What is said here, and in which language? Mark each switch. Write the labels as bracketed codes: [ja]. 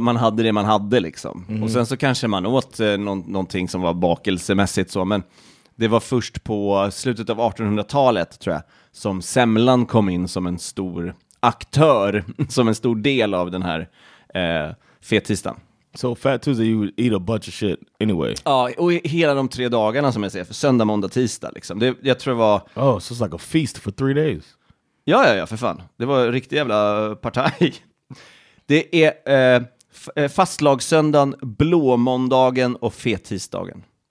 [sv] Man hade det man hade liksom. Mm. Och sen så kanske man åt någonting som var bakelsemässigt så. Men det var först på slutet av 1800-talet, tror jag, som semlan kom in som en stor aktör, som en stor del av den här fettisdagen. [en] So Fat Tuesday you eat a bunch of shit anyway. [sv] Ja, och hela de tre dagarna som jag ser, för söndag, måndag, tisdag liksom. Jag tror det var... [en] Oh, so it's like a feast for 3 days. [sv] Ja, för fan. Det var riktigt jävla partaj. Det är fastlagssöndagen, blå måndagen och fettisdagen.